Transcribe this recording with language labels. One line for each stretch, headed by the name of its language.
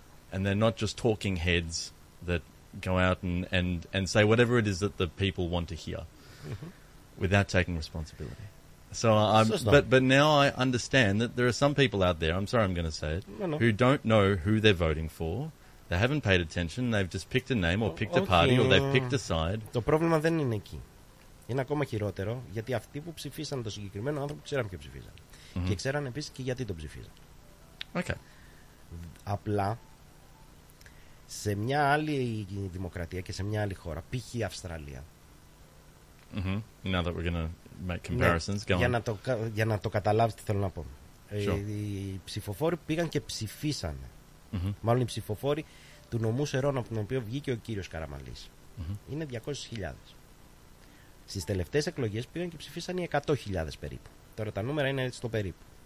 English: And they're not just talking heads that go out and say whatever it is that the people want to hear uh-huh. without taking responsibility. So I'm, but now I understand that there are some people out there, I'm sorry I'm going to say it, no. who don't know who they're voting for, they haven't paid attention, they've just picked a name or picked a party or they've picked a side.
Greek: Το πρόβλημα δεν είναι εκεί. Είναι ακόμα χειρότερο, γιατί αυτοί που ψηφίσαν το συγκεκριμένο άνθρωπο ξέραν ποιο ψηφίζαν. Mm-hmm. Και ξέραν επίσης και γιατί τον ψηφίζαν.
English: Okay.
Greek: Απλά, σε μια άλλη δημοκρατία και σε μια άλλη χώρα, π.χ. η Αυστραλία, Mm-hmm.
English: Now that we're going to make comparisons, go on.
Greek: Για να το καταλάβετε, θέλω να πω. Sure. Οι ψηφοφόροι πήγαν και ψηφίσαν. Mm-hmm. Μάλλον οι ψηφοφόροι του νομού Σερών, από τον οποίο βγήκε ο κύριος Καραμαλής. Mm-hmm. Είναι 200.000. Στις τελευταίες εκλογές πήγαν και ψηφίσαν οι 100.000 περίπου. Τώρα τα νούμερα είναι έτσι το περίπου.